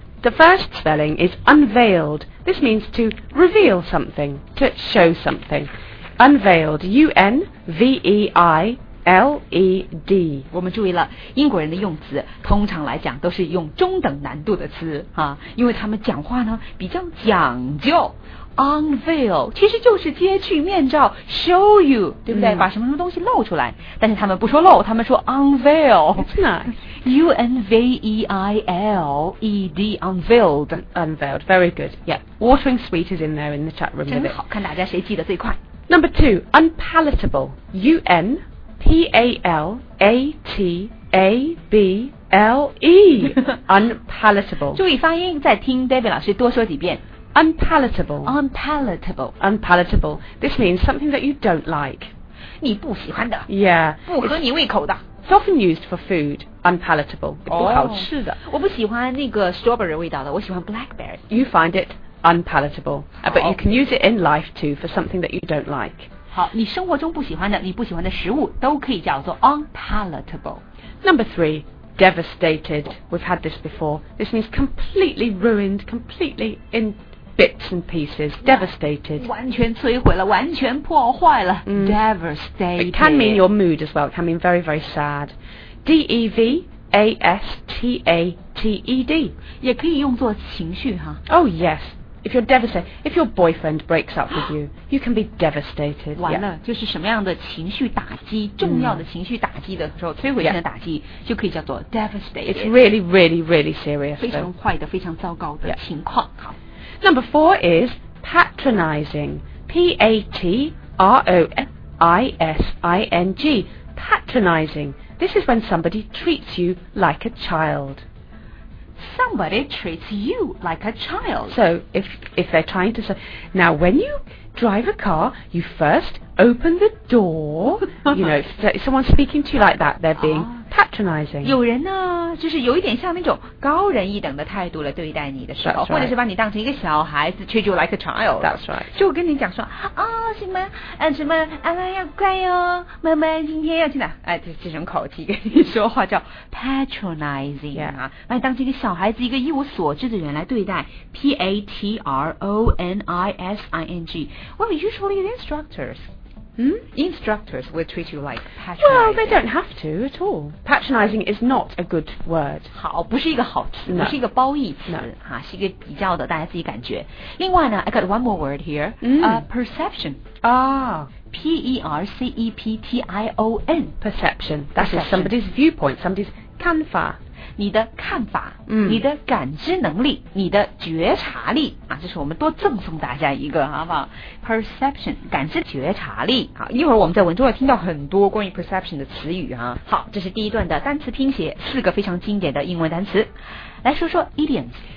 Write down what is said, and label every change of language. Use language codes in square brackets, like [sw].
[en] The first spelling is unveiled. This means to reveal something, to show something. Unveiled, U-N-V-E-I-L-E-D. [zh] 我们注意了，英国人的用词通常来讲都是用中等难度的词啊，因为他们讲话呢比较讲究。 Unveil 其实就是揭去面罩 ， [en] show you， [zh] 对不对？把什么什么东西露出来，但是他们不说露，他们说 unveil。 [en] U N V E I L E D unveiled unveiled very good yeah watering sweet is in there in the chat room [zh] 真好看大家谁记得最快 [en] number two unpalatable U N P A L A T A B L E unpalatable [zh] 注意发音再听 David 老师多说几遍 [en] unpalatable unpalatable unpalatable this means something that you don't like [zh] 你不喜欢的 [en] yeah [zh] 不合你胃口的 [en] It's often used for food, unpalatable, [zh] 不好吃的。我不喜欢那个 strawberry 味道的，我喜欢 blackberry. [en] You find it unpalatable, but you can use it in life too for something that you don't like. [zh] 好，你生活中不喜欢的，你不喜欢的食物都可以叫做 unpalatable. [en] Number three, devastated. We've had this before. This means completely ruined, completely in bits and pieces, devastated. [zh] 完全摧毁了，完全破坏了。 [en] Mm. Devastated. It can mean your mood as well. It can mean very, very sad. Devastated. [zh] 也可以用作情绪哈。 [en] Oh, yes. If you're devastated, if your boyfriend breaks up with you, you can be devastated. [zh] 完了、 [en] yeah. [zh] 就是什么样的情绪打击，重要的情绪打击的时候，摧毁性的打击、 [en] yeah. [zh] 就可以叫做 devastated. [en] It's really, really, really serious. [zh] 非常坏的，非常糟糕的情况。 [en] Yeah. [zh] 好。 [en] Number four is patronizing. P-A-T-R-O-N-I-S-I-N-G. Patronizing. This is when somebody treats you like a child. Somebody treats you like a child. So if they're trying to say... Now, when you drive a car, you first open the door. You know, if someone's speaking to you like that, they're being... Patronizing. [zh] 有人呢，就是有一点像那种高人一等的态度来对待你的时候、 [en] right. [zh] 或者是把你当成一个小孩子 [en] treat you like a child. That's right. [zh] 就跟你讲说啊、哦、什么什么阿妈要乖哦妈妈今天要去哪哎这种口气跟你说话叫 patronizing、 [en] yeah. [zh] 啊把你当成一个小孩子一个一无所知的人来对待 P-A-T-R-O-N-I-S-I-N-G. [en] Well, usually the instructors. Instructors will treat you like patronizing. Well, they don't have to at all. Patronizing is not a good word. [zh] 好，不是一个好词， [en] no. [zh] 不是一个褒义词、 [en] no. [zh] 啊，是一个比较的，大家自己感觉。另外呢 [en] ，I got one more word here. Perception. P-E-R-C-E-P-T-I-O-N. Perception. That is somebody's viewpoint. Somebody's 看法。 [zh] 你的看法、你的感知能力你的觉察力啊，这是我们多赠送大家一个好不好 Perception 感知觉察力好，一会儿我们在文中会听到很多关于 Perception 的词语啊。好这是第一段的单词拼写四个非常经典的英文单词来说说 idioms